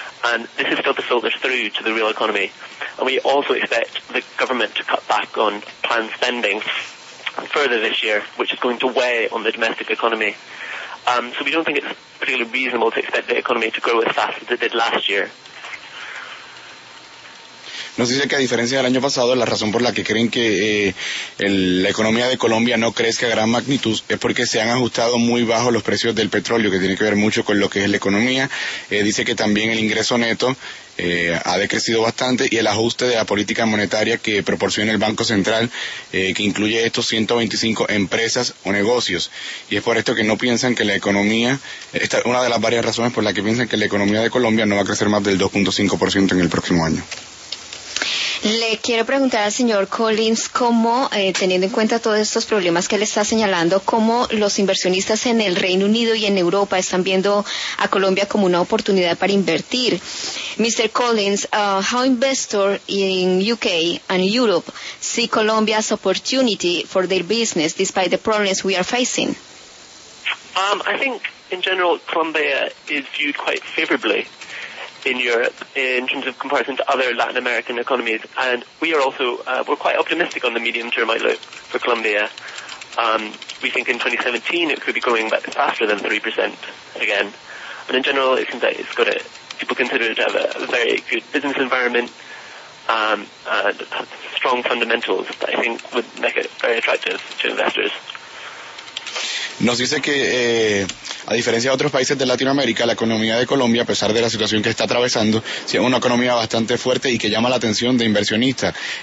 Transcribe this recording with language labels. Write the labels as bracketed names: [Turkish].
[English] And this is still to filter through to the real economy. And we also expect the government to cut back on planned spending further this year, which is going to weigh on the domestic economy. So we don't think it's particularly reasonable to expect the economy to grow as fast as it did last year. [Spanish] Nos dice que a diferencia del año pasado, la razón por la que creen que la economía de Colombia no crezca a gran magnitud es porque se han ajustado muy bajo los precios del petróleo, que tiene que ver mucho con lo que es la economía. Dice que también el ingreso neto ha decrecido bastante y el ajuste de la política monetaria que proporciona el Banco Central, que incluye estos 125 empresas o negocios. Y es por esto que no piensan que la economía, esta es una de las varias razones por las que piensan que la economía de Colombia no va a crecer más del 2.5% en el próximo año. Le quiero preguntar al señor Collins cómo, teniendo en cuenta todos estos problemas que él está señalando, cómo los inversionistas en el Reino Unido y en Europa están viendo a Colombia como una oportunidad para invertir. [English] Mr. Collins, how investors in UK and Europe see Colombia's opportunity for their business despite the problems we are facing? I think, in general, Colombia is viewed quite favorably in Europe in terms of comparison to other Latin American economies. And we are also, we're quite optimistic on the medium-term outlook for Colombia. We think in 2017 it could be growing faster than 3% again. And in general, it seems like it's got a, people consider it to have a very good business environment and strong fundamentals that I think would make it very attractive to investors. [Spanish] Nos dice que, a diferencia de otros países de Latinoamérica, la economía de Colombia, a pesar de la situación que está atravesando, sí es una economía bastante fuerte y que llama la atención de inversionistas.